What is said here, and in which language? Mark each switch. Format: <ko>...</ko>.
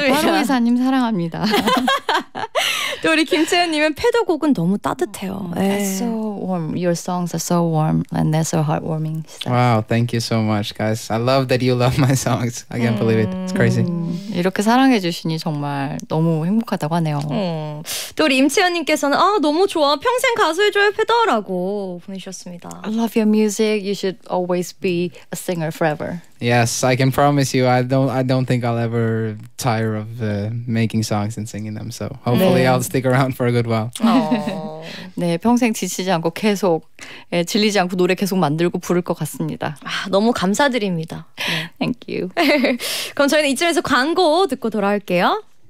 <ko>네, 파로이사님 사랑합니다. 또 우리 김채연님은 패드곡은 너무 따뜻해요.</ko> <en>It's so warm. Your songs are so warm and they're so heartwarming. Wow, thank you so much, guys. I love that you love my songs. I can't believe it. It's crazy.</en> <ko>이렇게 사랑해 주시니 정말 너무 행복하다고 하네요. 또 우리 임채연님께서는 아, 너무 좋아. 평생 가수해줘요, 패드라고 보내주셨습니다.</ko> <en>I love your music. You should always be a singer forever. Yes, I can promise you. I don't think I'll ever tire of making songs and singing them. So hopefully 네. I'll stick around for a good while.</en> <ko>네, 평생 지치지 않고 계속 예, 질리지 않고 노래 계속 만들고 부를 것 같습니다. 아, 너무 감사드립니다.</ko> <en>Thank you.</en> <ko>그럼 저희는 이쯤에서 광고 듣고 돌아올게요.</ko>